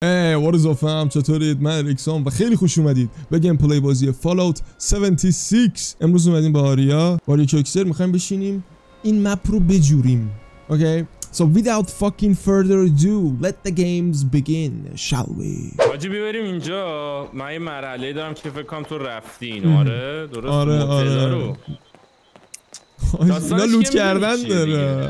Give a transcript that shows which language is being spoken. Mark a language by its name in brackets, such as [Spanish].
[English] Hey, what is up fam, [Persian] چطورید؟ من ریکسام و خیلی خوش اومدید به گیم پلی بازی فالاوت 76. امروز اومدیم با آریا باری کوکسر میخوایم بشینیم این مپ رو بجوریم. [English] Okay so without fucking further ado let the games begin shall we. [Persian] حاجی بیبریم اینجا من یه مرحله دارم که فکر کنم تو رفتین. آره درست آره آره اینا لوت کردن داره.